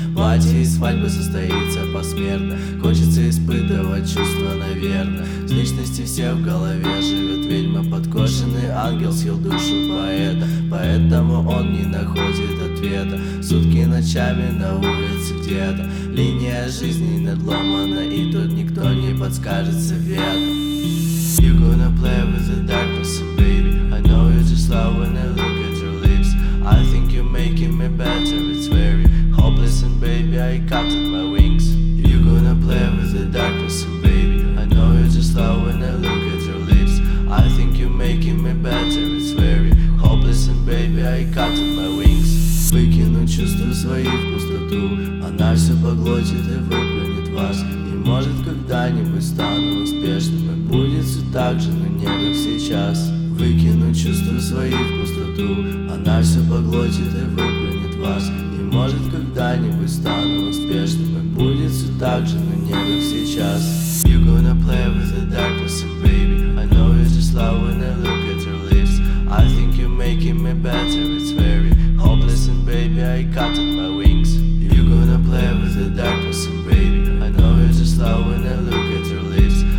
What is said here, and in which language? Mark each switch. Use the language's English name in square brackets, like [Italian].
[Russian] Платье и свадьба состоится посмертно, хочется испытывать чувства, наверное. С личности все в голове живет ведьма, подкошенный ангел съел душу поэта, поэтому он не находит ответа. Сутки ночами на улице где-то, линия жизни надломана, и тут никто не подскажет совет. [English] You gonna play with the darkness, baby. I know you just love when I look at your lips. I think you're making me better, it's very hopeless, and baby, I cut off my wings. You gonna play with the darkness, baby. I know you just love when I look at your lips. I think you're making me better, it's very hopeless, and baby, I cut off my wings. [Russian] Выкину чувства свои в пустоту, она все поглотит и выплюнет вас. И может когда-нибудь стану успешным, и будет все так же, но не как сейчас. Выкину чувства свои в пустоту, она все поглотит и выплюнет вас. И может когда-нибудь стану успешным, и будет все так же, но не как сейчас. [English] You gonna play with the darkness, baby. I know you just love when I look at your lips. I think you're making me better, it's very hopeless, and baby, I cut off my wings. You gonna play with the darkness, baby. I know you just love when I look at your lips.